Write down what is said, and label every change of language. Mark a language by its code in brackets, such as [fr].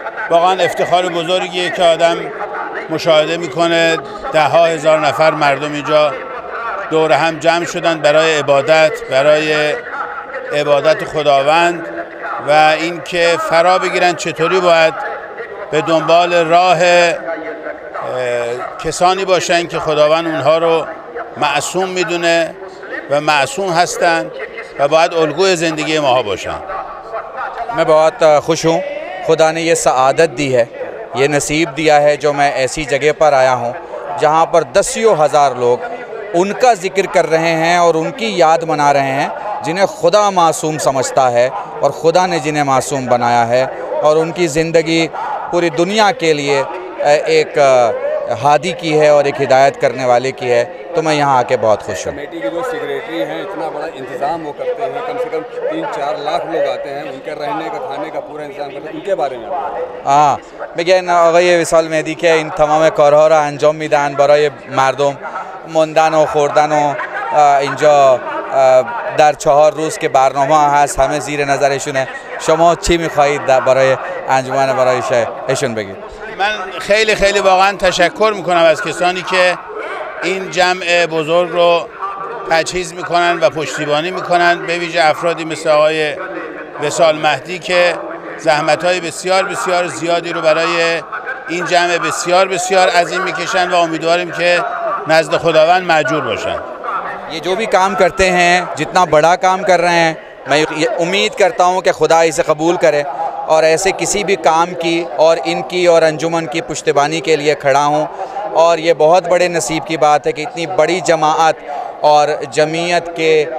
[fa] واقعا افتخار بزرگیه که آدم مشاهده میکنه ده ها هزار نفر مردم اینجا دور هم جمع شدن برای عبادت، برای عبادت خداوند و اینکه فرا بگیرن چطوری باید به دنبال راه کسانی باشن که خداوند اونها رو معصوم میدونه و معصوم هستن و باید الگوی زندگی ماها باشن. من باید خوشم، [ur] خدا نے یہ سعادت دی ہے، یہ نصیب دیا ہے جو میں ایسی جگہ پر آیا ہوں جہاں پر دسیوں ہزار لوگ ان کا ذکر کر رہے ہیں اور ان کی یاد منا رہے ہیں جنہیں خدا معصوم سمجھتا ہے اور خدا نے جنہیں معصوم بنایا ہے اور ان کی زندگی پوری دنیا کے لیے ایک ہادی کی ہے اور ایک ہدایت کرنے والے کی ہے، تو میں یہاں آ کے بہت خوش ہوں۔ کمیٹی کی جو سیکرٹری ہیں اتنا بڑا انتظام وہ کرتے ہیں، کم سے کم 3-4 لاکھ لوگ آتے ہیں، ان کے رہنے کا کھانے کا پورا انتظام کرتے ہیں، ان کے بارے میں؟ [fa] ہاں میگن آقای وصال مهدی که این تمام کارها را انجام میدن برای مردم موندن و خوردن و اینجا در 4 روز که برنامه هست همه زیر نظرشونه. شما چی میخواهید برای انجمن برایشون بگید؟ من خیلی خیلی واقعا تشکر میکنم از کسانی که این جمع بزرگ رو تجهیز میکنن و پشتیبانی میکنن، به ویژه افرادی مثل آقای وصال مهدی که زحمتهای بسیار بسیار زیادی رو برای این جمع بسیار بسیار عظیم میکشن و امیدواریم که نزد خداوند ماجور باشن. [ur] یہ جو بھی کام کرتے ہیں جتنا بڑا کام کر رہے ہیں میں امید کرتا ہوں کہ خدا اسے قبول کرے اور ایسے کسی بھی کام کی اور ان کی اور انجمن کی پشتیبانی کے لیے کھڑا ہوں، اور یہ بہت بڑے نصیب کی بات ہے کہ اتنی بڑی جماعت اور جمعیت کے